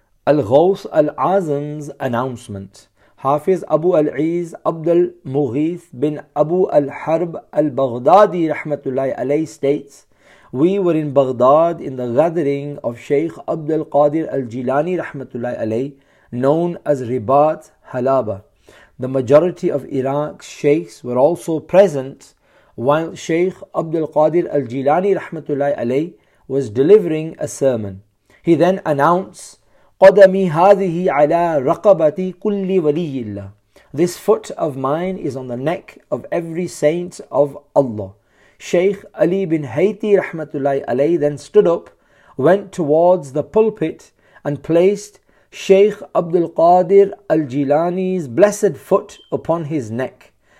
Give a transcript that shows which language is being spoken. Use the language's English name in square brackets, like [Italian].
[English] Al-Ghawth Al-Azam's announcement. Hafiz Abu Al-Iz Abdul Mughith bin Abu Al-Harb Al-Baghdadi rahmatullahi alayh states, we were in Baghdad in the gathering of Sheikh Abdul Qadir Al-Jilani rahmatullahi alayh, known as Ribat Halaba. The majority of Iraq's sheikhs were also present while Sheikh Abdul Qadir Al-Jilani rahmatullahi alayh was delivering a sermon. He then announced, [Arabic] قدمي هذه على رقبتي كل ولي الله. [English] This foot of mine is on the neck of every saint of Allah. Sheikh Ali bin Hayti rahmatullahi alayh then stood up, went towards the pulpit and placed Sheikh Abdul Qadir al-Jilani's blessed foot upon his neck.